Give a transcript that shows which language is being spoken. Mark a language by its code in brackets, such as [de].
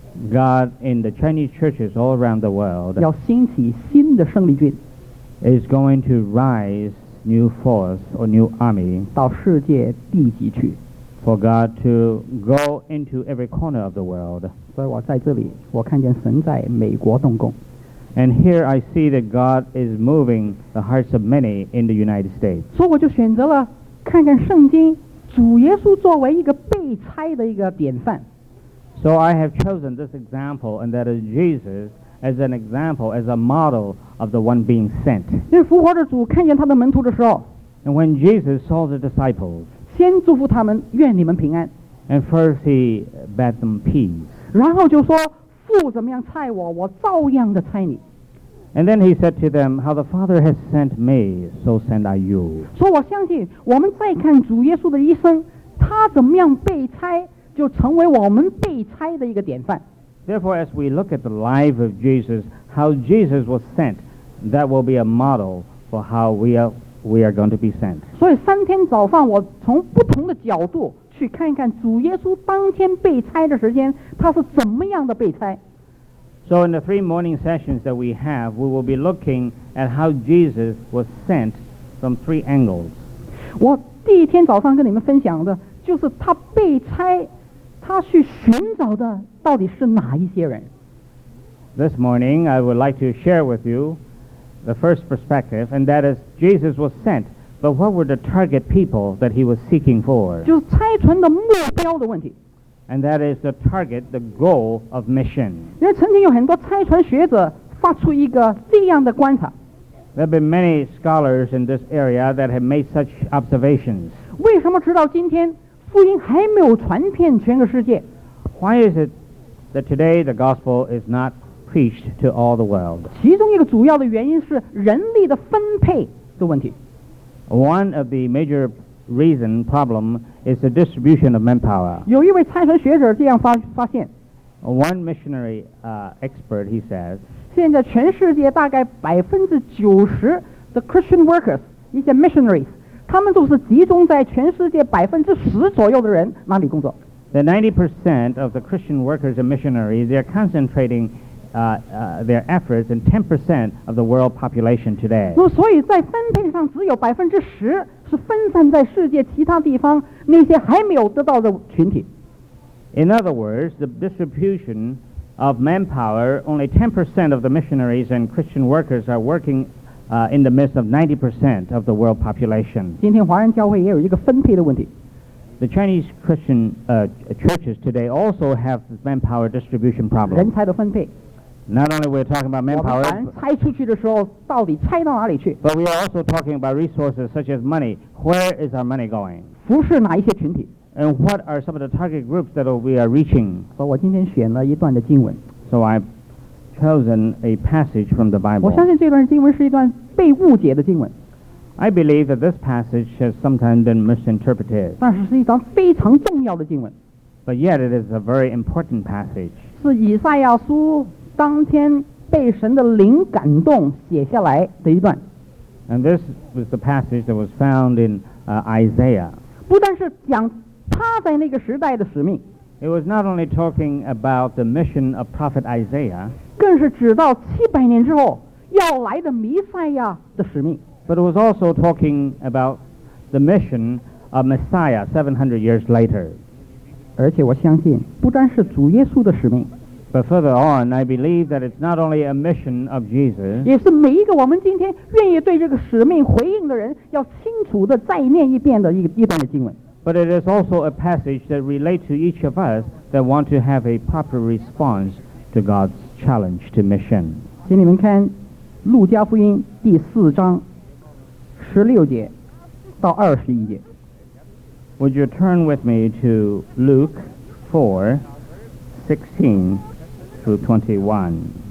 [en] God in the Chinese churches all around the world [zh] 要兴起新的胜利军 [en] is going to rise new force or new army [zh] 到世界地极去 [en] for God to go into every corner of the world [zh] 所以我在这里我看见神在美国动工 [en] and here I see that God is moving the hearts of many in the United States [zh] 所以我就选择了看看圣经主耶稣作为一个被差的一个典范 [en] So I have chosen this example, and that is Jesus as an example, as a model of the one being sent. [zh] 因为复活的主看见他的门徒的时候 [en] And when Jesus saw the disciples, [zh] 先祝福他们，愿你们平安。 [en] And first he bade them peace. [zh] 然后就说，父怎么样差我，我照样的差你。 [en] And then he said to them, how the Father has sent me, so send I you. [zh] 所以我相信，我们再看主耶稣的一生，他怎么样被差。就成为我们被差的一个典范 [en] Therefore as we look at the life of Jesus How Jesus was sent That will be a model For how we are going to be sent [zh] 所以三天早饭我从不同的角度去看看主耶稣当天被差的时间他是怎么样的被差 [en] So in the three morning sessions that we have We will be looking at how Jesus was sent From three angles [zh] 我第一天早上跟你们分享的就是他被差他去寻找的到底是哪一些人 [en] This morning I would like to share with you the first perspective and that is Jesus was sent but what were the target people that he was seeking for [zh] 就是差传的目标的问题 [en] and that is the target the goal of mission [zh] 因为曾经有很多差传学者发出一个这样的观察 [en] There have been many scholars in this area that have made such observations [zh] 为什么直到今天福音还没有传遍全个世界 [en] Why is it that today the gospel is not preached to all the world? [zh] 其中一个主要的原因是人力的分配的问题 [en] One of the major reason problem is the distribution of manpower [zh] 有一位差传学者这样 发现 [en] One missionary expert he says [zh] 现在全世界大概90%的 [en] Christian workers [zh] 一些 missionaries他们都是集中在全世界10%左右的人那里工作 [en] The 90% of the Christian workers and missionaries they are concentrating their efforts in 10% of the world population today [zh] 所以在分配上只有10%是分散在世界其他地方那些还没有得到的群体 [en] In other words the distribution of manpower only 10% of the missionaries and Christian workers are workingin the midst of 90% of the world population. [zh] 今天华人教会也有一个分配的问题。 [en] The Chinese Christian churches today also have manpower distribution problem. [zh] 人才的分配。 [en] Not only we're talking about manpower, [zh] 我们差出去的时候到底差到哪里去。 [en] But we are also talking about resources such as money. Where is our money going? [zh] 服侍哪一些群体。 [en] And what are some of the target groups that we are reaching? [zh] 所以我今天选了一段的经文。 [en] So I've chosen a passage from the Bible. [zh] 我相信这段经文是一段被误解的经文。 [en] I believe that this passage has sometimes been misinterpreted. [zh] 但是是一段非常重要的经文。 [en] But yet it is a very important passage. [zh] 是以赛亚书当天被神的灵感动写下来的一段。 [en] And this was the passage that was found in Isaiah. [zh] 不但是讲他在那个时代的使命。 [en] It was not only talking about the mission of prophet Isaiah. [zh] 更是指到700年之后要来的弥赛亚的使命 [en] But it was also talking about the mission of Messiah 700 years later [zh] 而且我相信不单是主耶稣的使命 [en] But further on I believe that it's not only a mission of Jesus [zh] 也是每一个我们今天愿意对这个使命回应的人要清楚地再念一遍的一段的经文 [en] But it is also a passage that relates to each of us that want to have a proper response to God'sChallenge to mission. [zh] 请你们看路加福音第四章16节到21节。 [en] Would you turn with me to Luke 4:16-21?